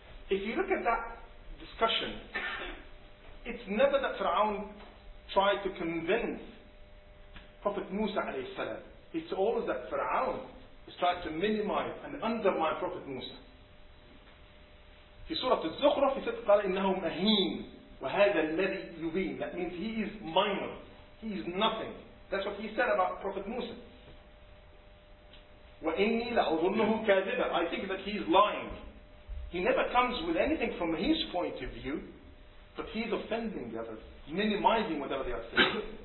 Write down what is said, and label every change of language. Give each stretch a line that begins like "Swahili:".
English: If you look at that discussion, it's never that Fir'aun tried to convince Prophet Musa alayhi salam. It's always that Fir'aun is trying to minimize and undermine Prophet Musa. In Surah Al-Zukhruf, he said,
Arabic: قَالَ إِنَّهُمْ أَهِينَ وَهَذَا الَّذِي يُبِينَ.
English: That means he is minor. He is nothing. That's what he said about Prophet Musa.
Arabic: وَإِنِّي لَأَظُنُّهُ كَاذِبًا.
English: I think that he is lying. He never comes with anything from his point of view, but he's offending the others, minimizing whatever they are saying.